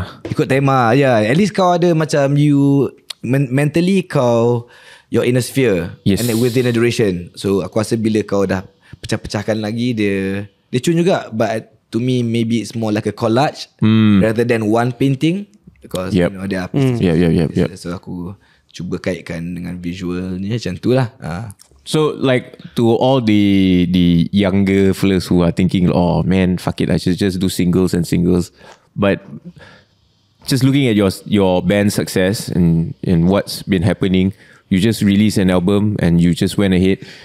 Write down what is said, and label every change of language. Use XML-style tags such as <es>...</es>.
<en>Ikut tema, yeah. At least kau ada macam you mentally kau, you're in a sphere. Yes.</en> <ms>And within a duration. So aku rasa bila kau dah pecah-pecahkan lagi, dia cun juga.</ms> <en>But to me, maybe it's more like a collage rather than one painting. Because you know, there are pieces. Yeah.</en> <ms>So aku cuba kaitkan dengan visualnya macam tu lah.</ms> <en>So like to all the younger fellas who are thinking, "Oh man, fuck it, I should just do singles and singles." But just looking at your band success and what's been happening, you just released an album and you just went ahead.</en>